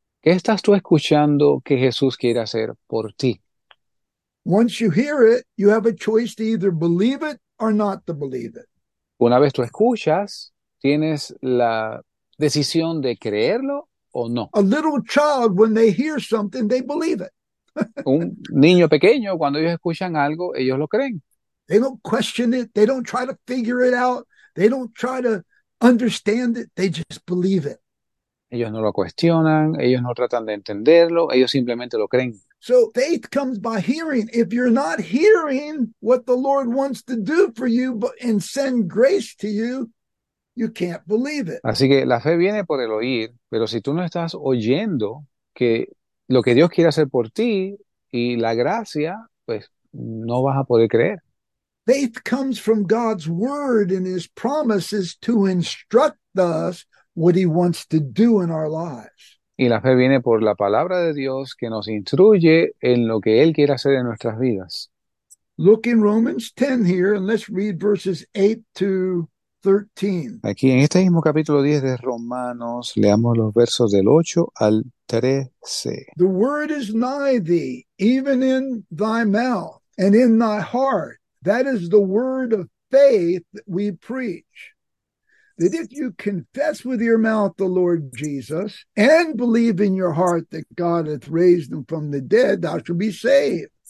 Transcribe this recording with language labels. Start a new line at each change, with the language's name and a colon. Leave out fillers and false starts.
Spanish: ¿Qué estás tú escuchando que Jesús quiere hacer por ti?
English: Once you hear it, you have a choice to either believe it or not to believe it.
Spanish: Una vez tú escuchas, tienes la decisión de creerlo o no.
English: A little child, when they hear something, they believe it.
Spanish: Un niño pequeño, cuando ellos escuchan algo, ellos lo creen.
English: They don't question it. They don't try to figure it out. They don't try to understand it. They just believe it.
Spanish: Ellos no lo cuestionan, ellos no tratan de entenderlo, ellos simplemente lo creen.
English: So faith comes by hearing. If you're not hearing what the Lord wants to do for you but, and send grace to you, you can't believe it.
Spanish: Así que la fe viene por el oír, pero si tú no estás oyendo que lo que Dios quiere hacer por ti y la gracia, pues no vas a poder creer.
English: Faith comes from God's word and his promises to instruct us what he wants to do in our lives.
Spanish: Y la fe viene por la palabra de Dios que nos instruye en lo que Él quiere hacer en nuestras vidas.
English: Look in Romans 10 here, and let's read verses 8 to 13.
Spanish: Aquí en este mismo capítulo 10 de Romanos, leamos los versos del 8 al 13.
English: The word is nigh thee, even in thy mouth and in thy heart. That is the word of faith that we preach. That if you confess with your mouth the Lord Jesus and believe in your heart that God hath raised him from the dead, thou shalt be saved.